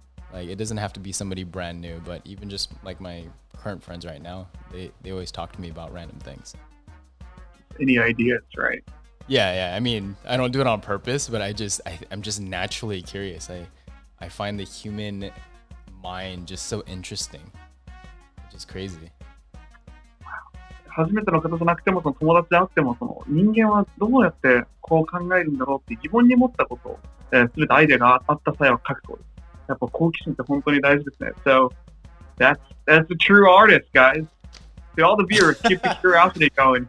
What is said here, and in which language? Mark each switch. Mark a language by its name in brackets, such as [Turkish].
[English] Like it doesn't have to be somebody brand new, but even just like my current friends right now, they always talk to me about random things. Any ideas, right? Yeah. I mean, I don't do it on purpose, but I'm just naturally curious. I find the human mind just so interesting, which is crazy. Wow. [Japanese] 初めての方じゃなくても、その友達であっても、その人間はどうやってこう考えるんだろうって疑問に持ったこと、全てアイデアがあった際は書くこと。やっぱ好奇心って本当に大事ですね。 [English] So, that's the true artist, guys. To all the viewers, keep the curiosity going.